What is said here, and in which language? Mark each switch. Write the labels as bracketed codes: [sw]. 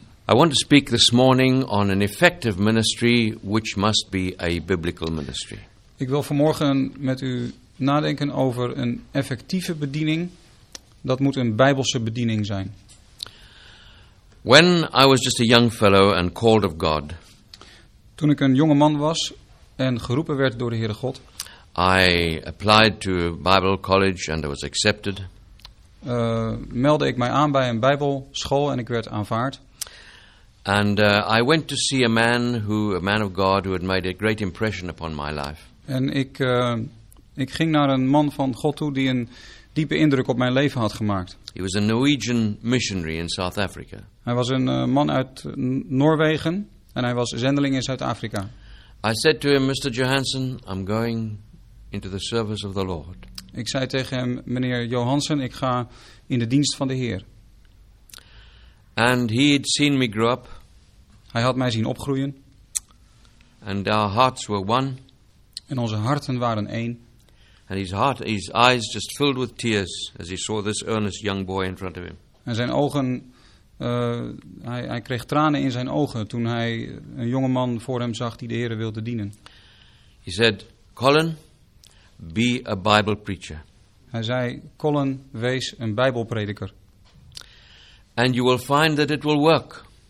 [en] I want to speak this morning on an effective ministry which must be a biblical ministry. [nl] Ik wil vanmorgen met u nadenken over een effectieve bediening. Dat moet een Bijbelse bediening zijn. [en] When I was just a young fellow and called of God. [nl] Toen ik een jonge man was en geroepen werd door de Heere God. [en] I applied to a Bible college and I was accepted. [nl] Meldde ik mij aan bij een Bijbelschool en ik werd aanvaard. [en] And I went to see a man of God who had made a great impression upon my life. [nl] En ik ging naar een man van God toe die een diepe indruk op mijn leven had gemaakt. [en] He was a Norwegian missionary in South Africa. [nl] Hij was een man uit Noorwegen en hij was zendeling in Zuid-Afrika. [en] I said to him, Mr. Johansson, I'm going into the service of the Lord. [nl] Ik zei tegen hem, meneer Johansson, ik ga in de dienst van de Heer. [en] And he had seen me grow up. [nl] Hij had mij zien opgroeien. [en] And our hearts were one. [nl] En onze harten waren één. [en] And his eyes just filled with tears as he saw this earnest young boy in front of him. [nl] En zijn ogen, hij kreeg tranen in zijn ogen toen hij een jonge man voor hem zag die de Heere wilde dienen. [en] He said, Colin, be a Bible preacher. [nl] Hij zei, Colin, wees een Bijbelprediker. [en] And you will find that it will work.